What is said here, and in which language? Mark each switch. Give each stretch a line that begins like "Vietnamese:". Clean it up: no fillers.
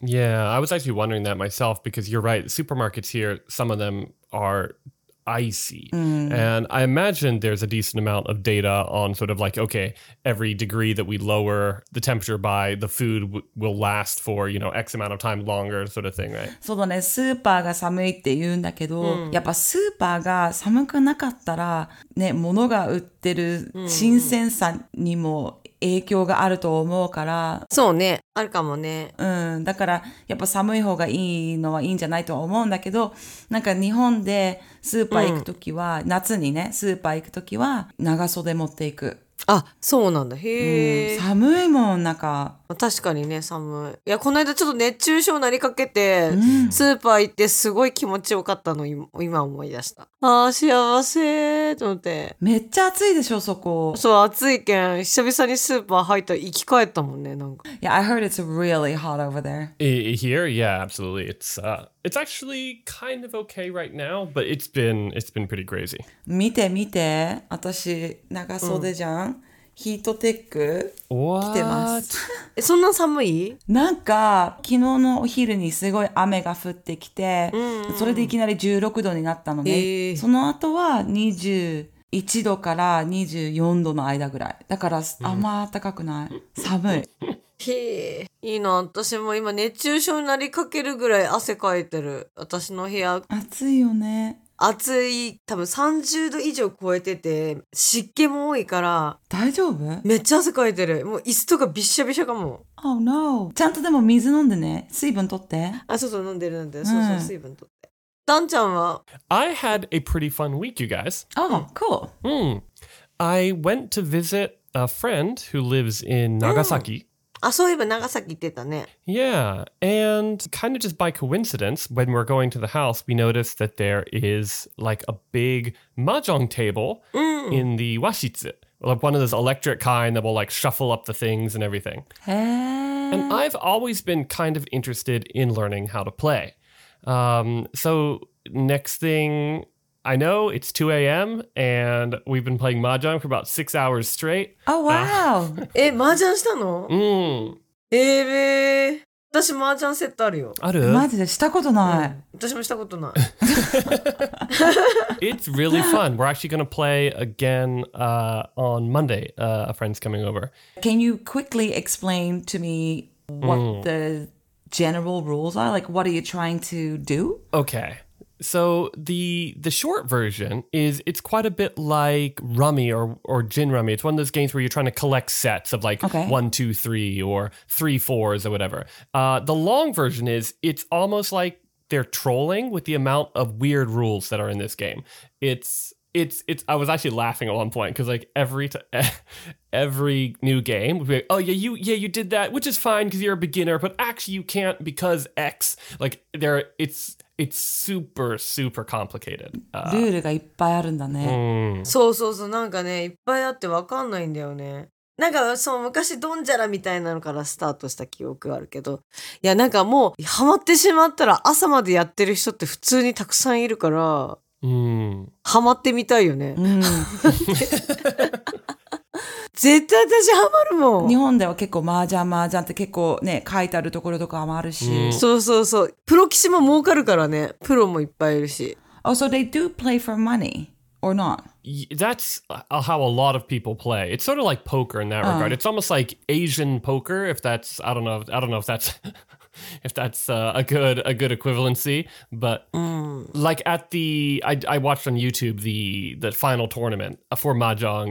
English: Yeah, I was actually wondering that myself because you're right. Supermarkets here, some of them are icy. And I imagine there's a decent amount of data on sort of like, okay, every degree that we lower the temperature by, the food will last for, you know, X amount of time longer sort of thing, right?
Japanese: そうだね、スーパーが寒いって言うんだけど、やっぱスーパーが寒くなかったら、ね、物が売ってる新鮮さにも影響があると思うから。そうね、あるかもね。うん、だからやっぱ寒い方がいいのはいいんじゃないとは思うんだけど、なんか日本でスーパー行くときは、夏にね、スーパー行くときは長袖持っていく。あ、そうなんだ。へえ。寒いもん、なんか。確かにね、寒い。いや、この間ちょっと熱中症なりかけて、スーパー行ってすごい気持ちよかったの、今思い出した。ああ、幸せーと思って。めっちゃ暑いでしょ、そこ。そう、暑いけん。久々にスーパー入った、行き帰ったもんね、なんか。
English: Yeah, I heard it's really hot over there. Here? Yeah, absolutely. It's actually kind of okay right now, but it's been pretty crazy.
Japanese: 見て見て、私、長袖じゃん。ヒートテック着てます。え、そんな寒い？なんか昨日のお昼にすごい雨が降ってきて、うん、それでいきなり16度になったのね。その後は21度から24度の間ぐらい。だから、うん、あんま暖かくない。寒い。へー、いいな。私も今熱中症になりかけるぐらい汗かいてる。私の部屋。暑いよね。暑い、多分30度以上超えてて、湿気も多いから。大丈夫？めっちゃ汗かいてる。もう椅子とかびしゃびしゃかも。
English: Oh no.
Japanese: ちゃんとでも水飲んでね。水分取って。あ、そうそう、飲んでるんで。うん、そうそう、水分取って。ダンちゃんは？
English: I had a pretty fun week, you guys. Oh, cool. I went to visit a friend who lives in Nagasaki.、
Japanese: うん、あ、そういえば長崎行ってたね。
English: Yeah, and kind of just by coincidence, when we're going to the house, we noticed that there is like a big mahjong table、うん、 in the washitsu. Like one of those electric kind that will like shuffle up the things and everything. へー。 And I've always been kind of interested in learning how to play. So next thing I know, it's 2 a.m. and we've been playing mahjong for about 6 hours straight. Oh, wow!
Japanese: え、マージャンしたの？うん。えぇ、私マージャンセットあるよ。ある？マジでしたことない。うん、私もしたことない。
English: It's really fun. We're actually going to play again on Monday. A friend's coming over. Can you quickly explain to me what、mm. the general rules are? Like, what are you trying to do? Okay. So the short version is it's quite a bit like Rummy or Gin Rummy. It's one of those games where you're trying to collect sets of like、 okay. 1, 2, 3 or 3, 4s or whatever. The long version is it's almost like they're trolling with the amount of weird rules that are in this game. It's I was actually laughing at one point because like every new game would be like, oh yeah you did that, which is fine because you're a beginner, but actually you can't because X. Like there it's... It's super, super complicated.
Japanese: ルールがいっぱいあるんだね。うん、そうそうそう、なんかね、いっぱいあってわかんないんだよね。なんか、そう、昔ドンジャラみたいなのからスタートした記憶あるけど。いや、なんかもう、ハマってしまったら朝までやってる人って普通にたくさんいるから、ハマってみたいよね。うん、絶対私ハマるもん。日本では結構麻雀って結構ね、書いてあるところとかもあるし、うん、そうそうそう、プロ棋士も儲かるからね、プロもいっぱいいるし。
English: Oh, so they do play for money or not? That's how a lot of people play. It's sort of like poker in that regard. It's almost like Asian poker, if that's, I don't know if that's if that's a good equivalency, but、 mm. like at the, I watched on YouTube the final tournament for Mahjong.